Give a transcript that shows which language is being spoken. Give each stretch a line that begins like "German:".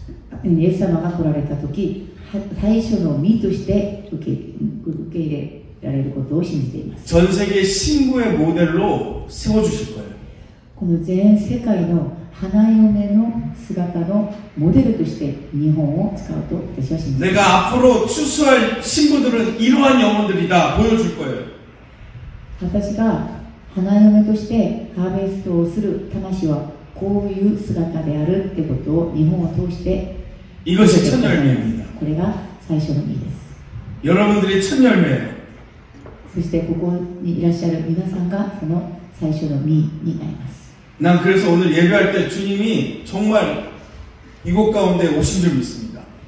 Japanese: 今は信仰が信仰を持てなさそうに見えている今の日本が예수様が来られた時 最初の実として受け入れられることを信じています。
Korean: 전 세계 신부의 모델로 세워주실 거예요.
Japanese: この全世界の花嫁の姿のモデルとして日本を使うと私は信じます。
Korean: 내가 앞으로 추수할 신부들은 이러한 영혼들이다 보여줄 거예요.
Japanese: 私が花嫁としてハーベストをする魂はこういう姿であるってことを日本を通して
Korean: 이것이 첫 열매입니다.
Japanese: 그래가 最初の実です。
Korean: 여러분들이 첫 열매예요.
Japanese: そしてここにいらっしゃる皆さんがその最初の実になります。
Korean: 난 그래서 오늘 예배할 때 주님이 정말 이곳 가운데 오신 줄 믿습니다.